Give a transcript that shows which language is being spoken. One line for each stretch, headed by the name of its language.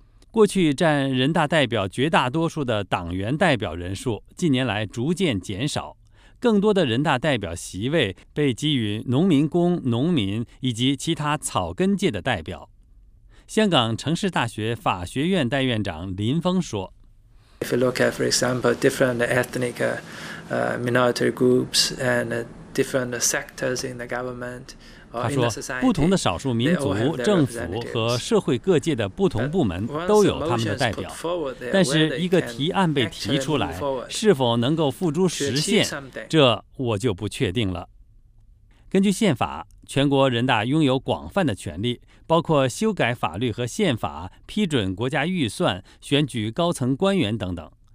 Chinese: 过去占人大代表绝大多数的党员代表人数，近年来逐渐减少，更多的人大代表席位被给予农民工、农民以及其他草根界的代表。香港城市大学法学院代院长林峰说
English: ：“If you look at, for example, different ethnic, minority groups and different sectors in the government.”
Chinese: 他说，不同的少数民族、政府和社会各界的不同部门都有他们的代表，但是一个提案被提出来，是否能够付诸实现，这我就不确定了。根据宪法，全国人大拥有广泛的权利，包括修改法律和宪法、批准国家预算、选举高层官员等等。